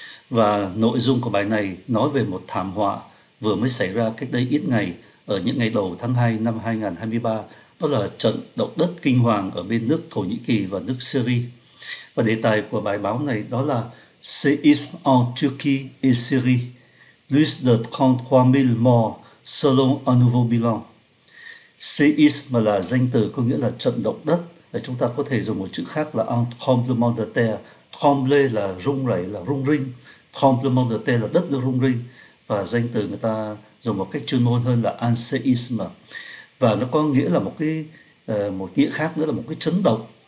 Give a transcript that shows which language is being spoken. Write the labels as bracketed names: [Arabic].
[Vietnamese] Và nội dung của bài này nói về một thảm họa vừa mới xảy ra cách đây ít ngày, ở những ngày đầu tháng 2 năm 2023, đó là trận động đất kinh hoàng ở bên nước Thổ Nhĩ Kỳ và nước Syria. Và đề tài của bài báo này đó là [French] Séisme en Turquie et Syrie. Plus de 33 000 morts selon un nouveau bilan. [Vietnamese] Séisme là danh từ có nghĩa là trận động đất. Chúng ta có thể dùng một chữ khác là un tremblement de terre. Trembler là rung rẩy, là rung rinh. Tremblement de terre là đất nó rung rinh. Và danh từ người ta dùng một cách chuyên môn hơn là un séisme. Và nó có nghĩa là một nghĩa khác nữa là một cái chấn động.